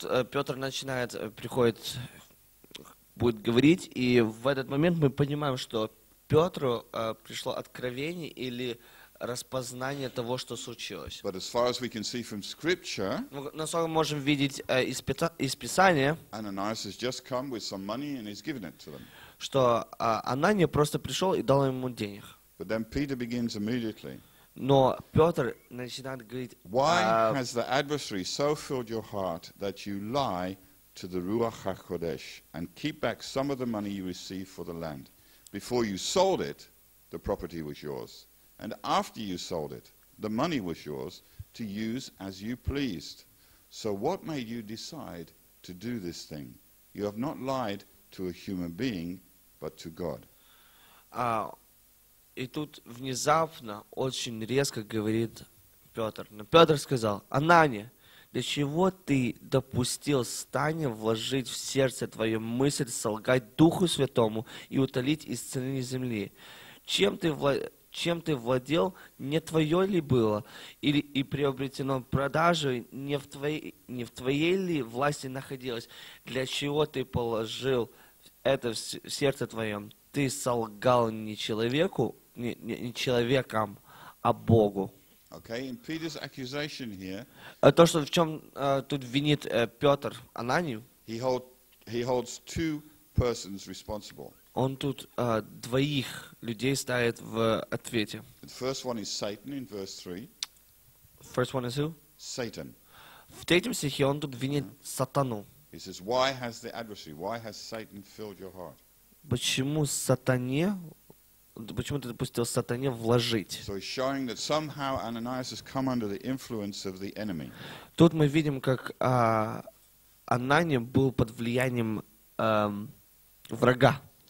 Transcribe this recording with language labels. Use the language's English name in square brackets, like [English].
[Russian] Петр начинает приходит будет говорить, и в этот момент мы понимаем, что Петру пришло откровение или распознание того, что случилось. [English] But as far as we can see from scripture, [Russian] насколько мы можем видеть из Писания, [English] Ananias has just come with some money and he's given it to them. [Russian] Что Анания просто пришел и дал ему денег. [English] But then Peter begins immediately. [Russian] Но Петр начинает говорить. [English] Why has the adversary so filled your heart that you lie to the Ruach HaKodesh and keep back some of the money you received for the land? Before you sold it, the property was yours. And after you sold it, the money was yours to use as you pleased. So what made you decide to do this thing? You have not lied to a human being, but to God. [Russian] И тут внезапно, очень резко говорит Петр. Но Петр сказал, Анания, для чего ты допустил Стане вложить в сердце твое мысль солгать Духу Святому и утолить из цены земли? Чем ты владел, не твое ли было? Или и приобретено продажей, не в твоей ли власти находилось? Для чего ты положил это в сердце твоем? Ты солгал не человеку, не человеком, а Богу. [English] Okay, in Peter's accusation here, [Russian] то, что в чем тут винит Петр Ананию, [English] he holds two persons responsible. [Russian] Он тут двоих людей ставит в ответе. [English] The first one is Satan in verse 3. First one is who? Satan. [Russian] В третьем стихе он тут винит сатану. [English] He says, why has the adversary, why has Satan filled your heart? [Russian] Почему ты допустил сатане вложить? Тут мы видим, как Анания был под влиянием врага.